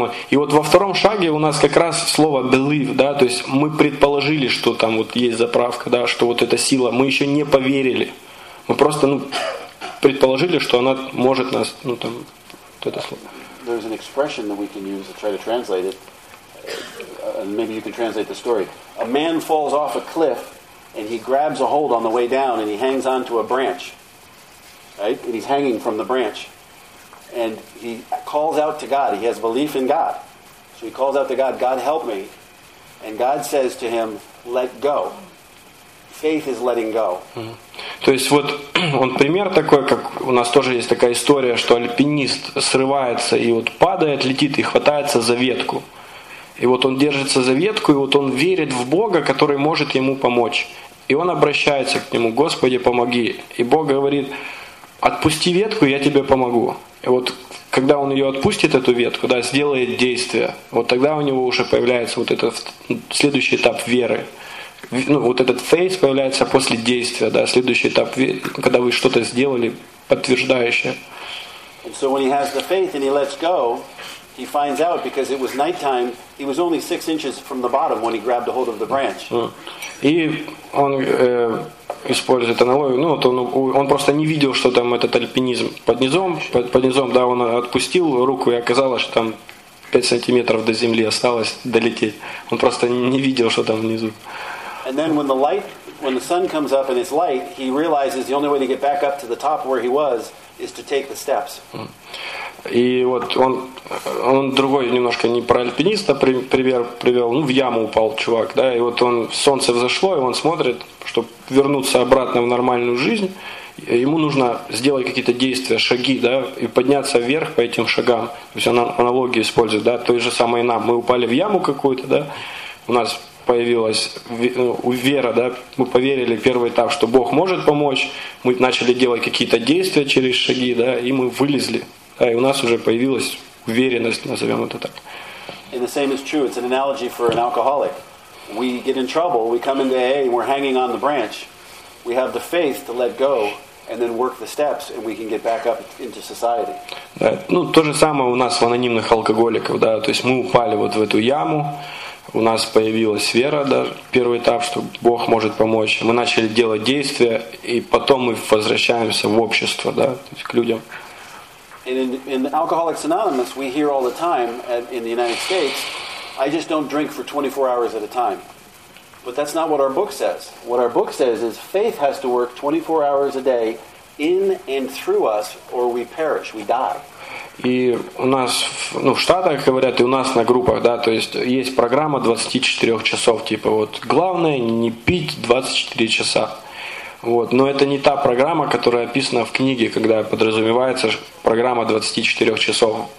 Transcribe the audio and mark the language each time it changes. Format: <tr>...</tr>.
<ru>И вот во втором шаге у нас как раз слово believe, да, то есть мы предположили, что там вот есть заправка, да, что вот эта сила, мы еще не поверили. Мы просто, ну, предположили, что она может нас, ну, там, вот это слово.</ru> <en>There's an expression that we can use to try to translate it. Maybe you can translate the story. A man falls off a cliff and he grabs a hold on the way down and he hangs on to a branch. Right? And he's hanging from the branch. And he calls out to God. He has belief in God. So he calls out to God, God help me. And God says to him, let go. Faith is letting go. Mm-hmm.</en> <ru>То есть вот он пример такой, как у нас тоже есть такая история, что альпинист срывается и вот падает, летит и хватается за ветку. И вот он держится за ветку, и вот он верит в Бога, который может ему помочь. И он обращается к нему, Господи, помоги. И Бог говорит, отпусти ветку, я тебе помогу. И вот когда он ее отпустит, эту ветку, да, сделает действие, вот тогда у него уже появляется вот этот следующий этап веры. Ну, вот этот faith появляется после действия, да, следующий этап, когда вы что-то сделали, подтверждающее.</ru> <en>And so when he has the faith and he lets go, he finds out, because it was nighttime, he was only 6 inches from the bottom when he grabbed a hold of the branch.</en> <ru>И он использует аналогию, ну вот он просто не видел, что там этот альпинизм под низом, да, он отпустил руку и оказалось, что там 5 сантиметров до земли осталось долететь, он просто не видел, что там внизу.</ru> <en>And then when the light, when the sun comes up and it's light, he realizes the only way to get back up to the top where he was is to take the steps.</en> <ru>И вот он другой немножко не про альпиниста пример привел, ну, в яму упал чувак, да, и вот он, солнце взошло, и он смотрит, чтобы вернуться обратно в нормальную жизнь, ему нужно сделать какие-то действия, шаги, да, и подняться вверх по этим шагам. То есть он аналогию использует, да, той же самой нам. Мы упали в яму какую-то, да, у нас появилась вера, да, мы поверили первый этап, что Бог может помочь, мы начали делать какие-то действия через шаги, да, и мы вылезли, да, и у нас уже появилась уверенность, назовем это так.</ru> <en>And the same is true, it's an analogy for an alcoholic. We get in trouble, we come into AA, we're hanging on the branch, we have the faith to let go, and then work the steps, and we can get back up into society.</en> <ru>Да, ну, то же самое у нас в анонимных алкоголиков, да, то есть мы упали вот в эту яму, у нас появилась вера, да, первый этап, что Бог может помочь. Мы начали делать действия, и потом мы возвращаемся в общество, да, то есть к людям.</ru> <en>And in Alcoholics Anonymous, we hear all the time in the United States, I just don't drink for 24 hours at a time. But that's not what our book says. What our book says is faith has to work 24 hours a day in and through us, or we perish, we die.</en> <ru>И у нас, ну, в Штатах говорят, и у нас на группах, да, то есть есть программа 24 часов, типа вот главное не пить 24 часа. Вот, но это не та программа, которая описана в книге, когда подразумевается программа 24 часов.</ru>